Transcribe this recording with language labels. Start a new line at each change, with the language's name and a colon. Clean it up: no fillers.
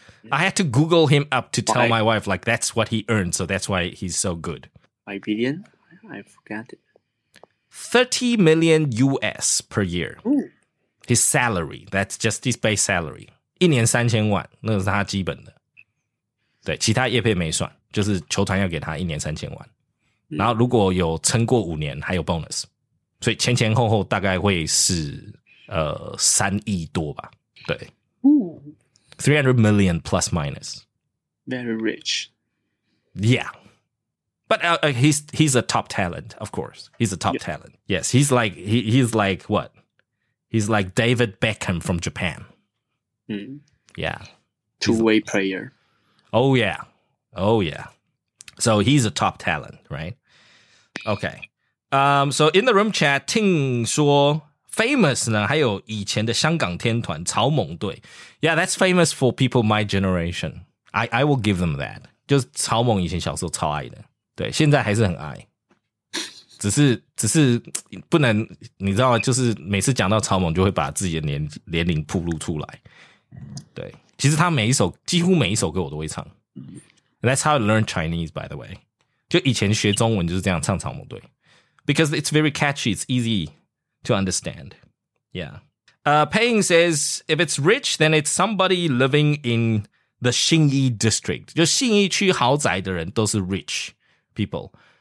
English: I had to Google him up to tell my wife, like, that's what he earned. So that's why he's so good. 5 billion? I forgot it. 30 million US per year. Ooh. His salary, that's just his base salary.
Chinese: 一年三千万，那是他基本的。对，其他业配没算，就是球团要给他一年三千万。然后如果有撑过五年，还有 bonus。所以前前后后大概会是三亿多吧。
English: 对 ，300 million plus minus. Very rich. Yeah. But he's a top talent, of course. He's a top talent. Yes, he's like what? He's like David Beckham from Japan.、 Mm. Yeah. Two-way player. Oh, yeah. Oh, yeah. So he's a top talent, right? Okay. So in the room chat, Ting
Chinese: 说 famous 呢还有以前的香港天团草蜢队
English: Yeah, that's famous for people my generation. I will give them that.
Chinese: 就是草蜢以前小时候超爱的。对现在还是很爱。只是不能你知道就是每次讲到草蜢就会把自己的年龄暴露出来。对。其实他每一首几乎每一首歌我都会唱。
English: That's how I learned Chinese, by the way.
Chinese: 就以前学中文就是这样唱草蜢对。
English: Because it's very catchy, it's easy to understand. Yeah. Paying says, if it's rich, then it's somebody living in the Xinyi district.
Chinese: 就信义区豪宅的人都是
English: rich people.